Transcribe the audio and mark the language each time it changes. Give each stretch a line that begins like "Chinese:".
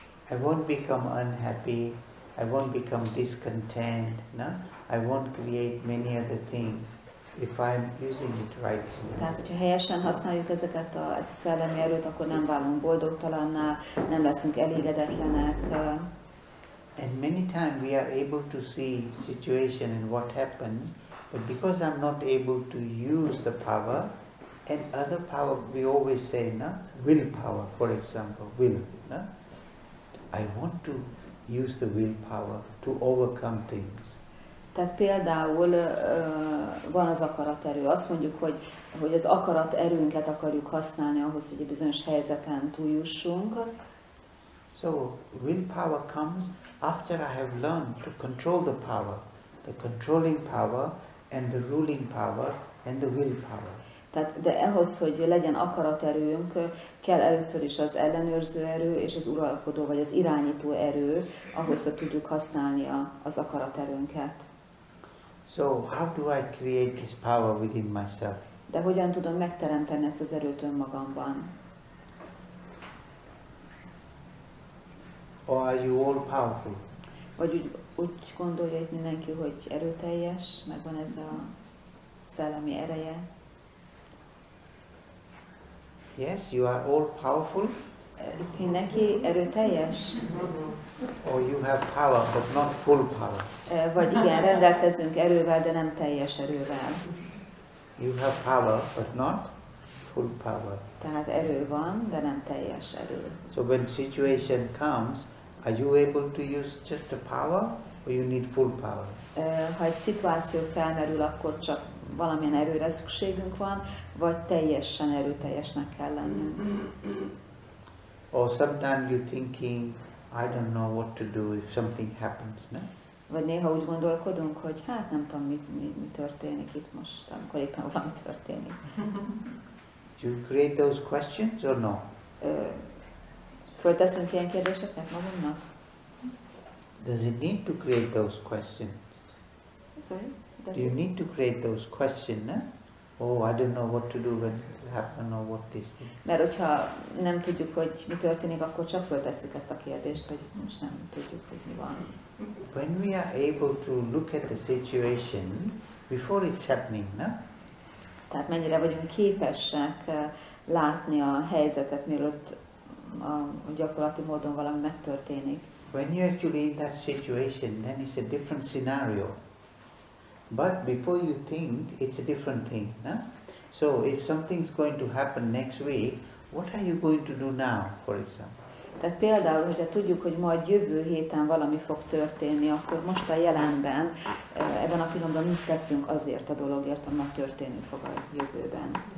English: I won't become unhappy, I won't become discontent, na? I won't create many other things if I'm using it right.
Hungarian: Tehát, hogyha helyesen használjuk ezeket ezt a szellemi erőt, akkor nem válunk boldogtalanná, nem leszünk elégedetlenek.
English: And many times we are able to see situation and what happens, but because I'm not able to use the power, and other power we always say, na, willpower, for example, will, na, I want to use the willpower to overcome things.
Hungarian: Tehát például van az akaraterő. Azt mondjuk, hogy az akaraterőnket akarjuk használni ahhoz, hogy egy bizonyos helyzeten túljussunk.
English: So willpower comes after I have learned to control the power, the controlling power and the ruling power and the willpower.
Hungarian: Tehát de ahhoz, hogy legyen akaraterőnk, kell először is az ellenőrző erő és az uralkodó vagy az irányító erő, ahhoz, hogy tudjuk használni az akaraterőnket.
English: So how do I create this power within myself?
Hungarian: De hogyan tudom megteremteni ezt az erőt önmagamban?
English: Or are you all powerful?
Hungarian: Vagy úgy gondolja itt mindenki, hogy erőteljes, megvan ez a szellemi ereje?
English: Yes, you are all powerful.
Hungarian: Itt mindenki erőteljes?
English: Or you have power, but not full power.
Hungarian: Vagy igen, rendelkezünk erővel, de nem teljes erővel.
English: You have power, but not full power.
Hungarian: Tehát erő van, de nem teljes erő.
English: So when situation comes, are you able to use just the power, or you need full power?
Hungarian: Ha egy szituáció felmerül, akkor csak valamilyen erőre szükségünk van, vagy teljesen erőteljesnek kell lennünk.
English: Or sometimes you're thinking, I don't know what to do if something happens, no?
Hungarian: Vagy néha úgy gondolkodunk, hogy hát nem tudom, mi történik itt most, amikor éppen valami történik.
English: Do you create those questions or no?
Hungarian: Fölteszünk ilyen kérdéseknek magunknak?
English: Does it need to create those questions? Sorry? Do you need to create those questions, no? Oh, I don't know what to do when it happens or what this thing.
Hungarian: Mert hogyha nem tudjuk, hogy mi történik, akkor csak föltesszük ezt a kérdést, hogy most nem tudjuk, hogy mi van.
English: When we are able to look at the situation before it's happening, na?
Hungarian: Tehát mennyire vagyunk képesek látni a helyzetet, mielőtt gyakorlati módon valami megtörténik.
English: When you're actually in that situation, then it's a different scenario. But before you think, it's a different thing, no? So if something's going to happen next week, what are you going to do now, for example?
Hungarian: Tehát például, hogyha tudjuk, hogy majd jövő héten valami fog történni, akkor most a jelenben, ebben a pillanatban mit teszünk azért a dologért, ami történni fog a jövőben?